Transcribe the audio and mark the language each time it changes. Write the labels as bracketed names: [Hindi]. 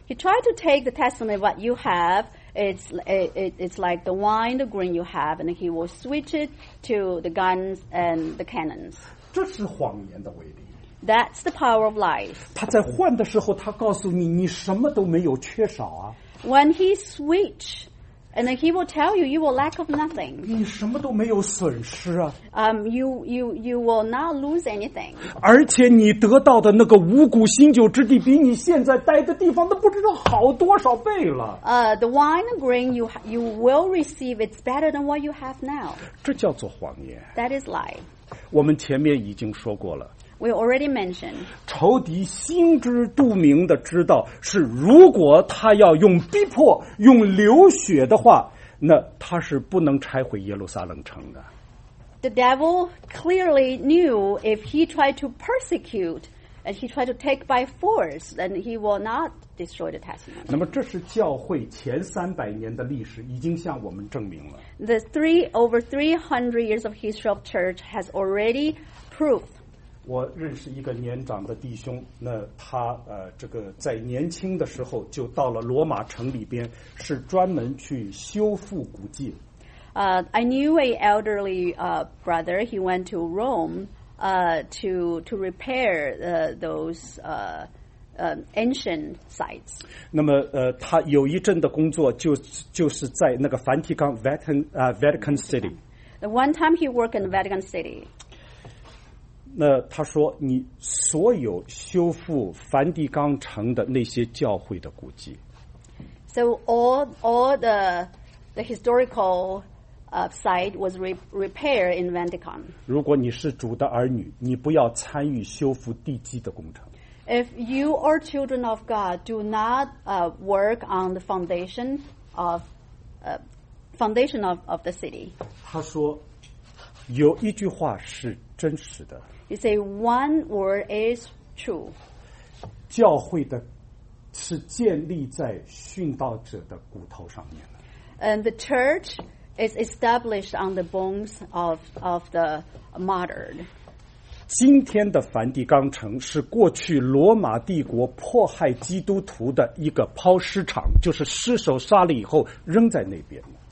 [English] He tried to take the testimony what you have. It's like the wine, the grain you have, and he will switch it to the guns and the cannons. [Chinese] 这是谎言的威力。 [English] That's the power of lies. [Chinese] 他在换的时候，他告诉你，你什么都没有缺少啊。 [English] When he switch. And he will tell you, you will lack of nothing. [Chinese] 你什么都没有损失啊。 [English] You will not lose anything. [Chinese] 而且你得到的那个五谷新酒之地，比你现在待的地方都不知道好多少倍了。 [English] The wine and grain you will receive, it's better than what you have now. [Chinese] 这叫做谎言。 [English] That is lie. [Chinese] 我们前面已经说过了。 [English] We already mentioned. [Chinese] 仇敌心知肚明的知道，是如果他要用逼迫、用流血的话，那他是不能拆毁耶路撒冷城的。 [English] The devil clearly knew if he tried to persecute and he tried to take by force, then he will not destroy the testimony. [Chinese] 那么，这是教会前300年的历史已经向我们证明了。 [English] The over 300 years of history of church has already proved. [Chinese] 我认识一个年长的弟兄，那他这个在年轻的时候就到了罗马城里边，是专门去修复古迹。 [English] I knew a elderly brother. He went to Rome to repair those ancient sites. [Chinese] 那么他有一阵的工作就是在那个梵蒂冈 Vatican City. [English] One time he worked in Vatican City. [Chinese] 那他说，你所有修复梵蒂冈城的那些教会的古迹。 [English] So all the historical site was repaired in Vatican. [Chinese] 如果你是主的儿女，你不要参与修复地基的工程。 [English] If you are children of God, do not work on the foundation of the city. [Chinese] 他说，有一句话是真实的。 [English] You say one word is true. [Chinese] 教会的是建立在殉道者的骨头上面的。 [English] And the church is established on the bones of the martyred. [Chinese] 今天的梵蒂冈城是过去罗马帝国迫害基督徒的一个抛尸场，就是尸首杀了以后扔在那边。